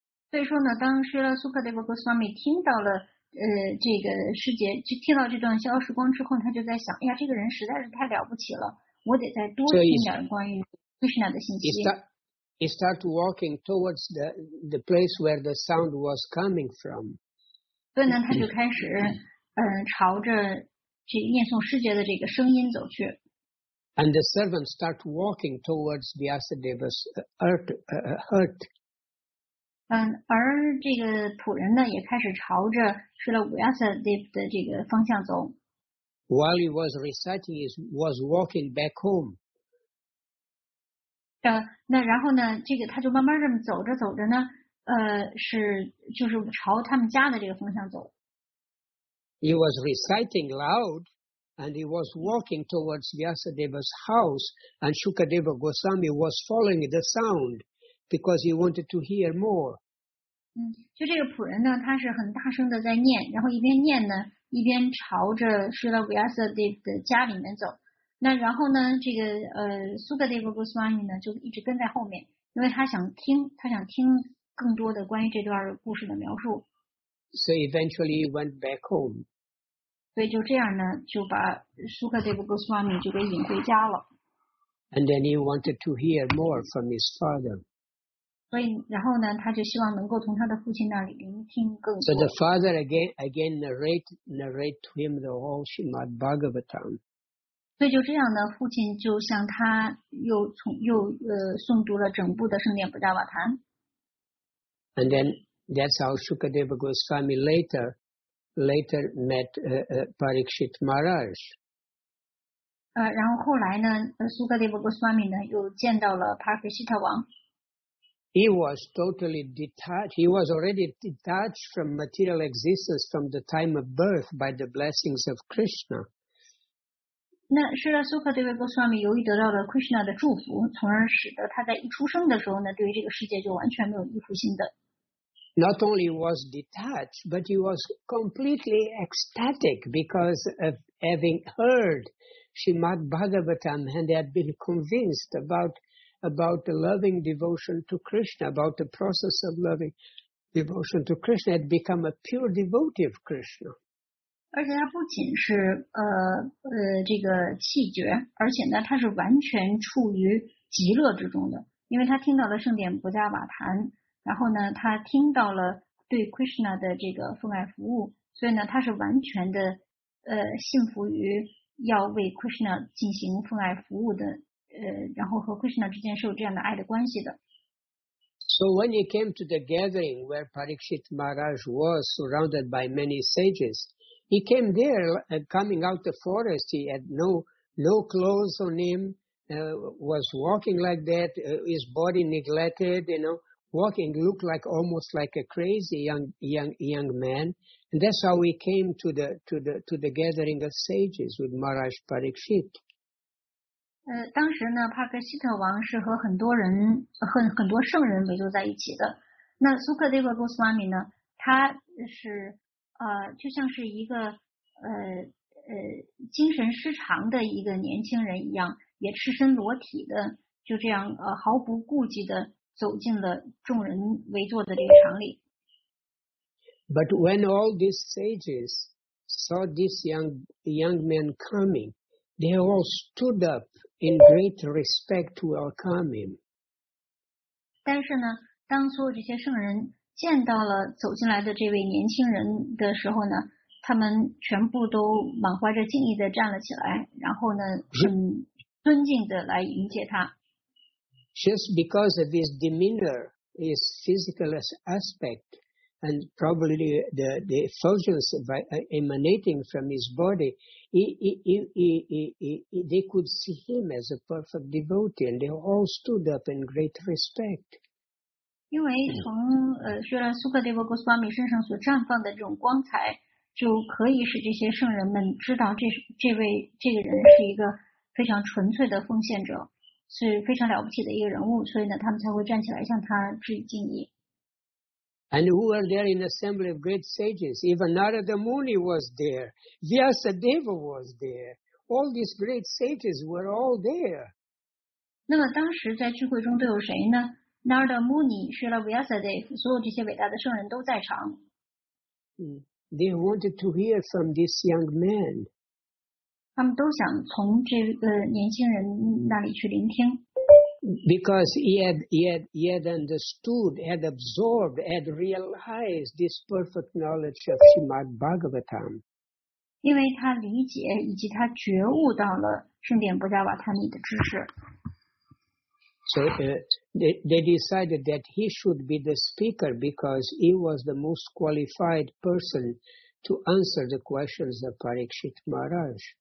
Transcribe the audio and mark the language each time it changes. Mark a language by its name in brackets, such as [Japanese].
[Chinese] 所以说呢，当时呢 Sukadeva Goswami 听到了这个世界，就听到这段消失光之后，他就在想，哎呀，这个人实在是太了不起了，我得再多听点关于 Krishna 的信息。 [English] He start walking towards the place where the sound was coming from. [Chinese] 所以呢，他就开始朝着去念诵世界的这个声音走去。 [English] And the servants start walking towards Vyasadeva's hurt. [Chinese] 而这个仆人呢，也开始朝着是了 Vyasadeva 的这个方向走。 [English] While he was reciting, he was walking back home. [Chinese] 那然后呢，这个他就慢慢这么走着走着呢，是就是朝他们家的这个方向走。 [English] He was reciting loud, and he was walking towards Vyasadeva's house, and Shukadeva Goswami was following the sound because he wanted to hear more. [Chinese] 就这个仆人呢，他是很大声的在念，然后一边念呢，一边朝着去了 Vyasadeva 的家里面走。那然后呢，这个Shukadeva Goswami 呢，就一直跟在后面，因为他想听更多的关于这段故事的描述。 [English] So eventually he went back home. [Chinese] 所以就这样呢，就把 Shukadeva Goswami 就给引回家了。 [English] And then he wanted to hear more from his father. [Chinese] 所以然后呢，他就希望能够从他的父亲那里聆听更多。 [English] So the father again narrate to him the whole Srimad Bhagavatam. [Chinese] 所以就这样呢，父亲就向他又诵读了整部的圣殿普达瓦坛。 [English] And then. That's how Shukadeva Goswami later met Parikshit Maharaj. [Chinese] 然后后来呢 ，Shukadeva Goswami 呢又见到了 Parikshit 王。 [English] He was totally detached. He was already detached from material existence from the time of birth by the blessings of Krishna. [Chinese] 那是了 ，Shukadeva Goswami 由于得到了 Krishna 的祝福，从而使得他在一出生的时候呢，对于这个世界就完全没有依附心的。 [English] Not only was detached, but he was completely ecstatic because of having heard Srimad Bhagavatam and had been convinced about the loving devotion to Krishna, about the process of loving devotion to Krishna, had become a pure devotee of Krishna. [Chinese] 而且他不仅是这个气绝，而且呢，他是完全处于极乐之中的，因为他听到了圣殿不加瓦坛。然后呢，他听到了对 Krishna 的这个奉爱服务，所以呢，他是完全的信服于要为 Krishna 进行奉爱服务的，然后和 Krishna 之间是有这样的爱的关系的。 [English] So when he came to the gathering where Parikshit Maharaj was surrounded by many sages, he came there coming out the forest. He had no clothes on him, was walking like that, his body neglected, you know. walking, looked like almost like a crazy young man. And that's how we came to the gathering of sages with Maharaj Parikshit. [Chinese] 当时呢，帕克希特王是和很多人、很多圣人围坐在一起的。那苏克德和古斯瓦米呢，他是就像是一个精神失常的一个年轻人一样，也赤身裸体的，就这样毫不顾忌的走进了众人围坐的这个场里。 [English] But when all these sages saw this young man coming, they all stood up in great respect to welcome him. [Chinese] 但是呢，当所有这些圣人见到了走进来的这位年轻人的时候呢，他们全部都满怀着敬意的站了起来，然后呢，很尊敬的来迎接他。 [English] Just because of his demeanor, his physical aspect, and probably the effulgence emanating from his body, they could see him as a perfect devotee, and they all stood up in great respect. [Chinese] 因为从虽然苏克德和古斯瓦米身上所绽放的这种光彩，就可以使这些圣人们知道这个人是一个非常纯粹的奉献者，是非常了不起的一个人物，所以呢，他们才会站起来向他致以敬意。 [English] And who were there in the assembly of great sages? Even Narada Muni was there. Vyasadeva was there. All these great sages were all there. [Chinese] 那么当时在聚会中都有谁呢？ Narada Muni, Srila Vyasadeva, 所有这些伟大的圣人都在场。 [English] They wanted to hear from this young man. [Chinese] 他们都想从这个年轻人那里去聆听。 [English] Because he had understood, had absorbed, had realized this perfect knowledge of Srimad Bhagavatam. [Chinese] 因为他理解以及他觉悟到了圣典波迦瓦塔米的知识。 [English] So they decided that he should be the speaker because he was the most qualified person to answer the questions of Parikshit Maharaj.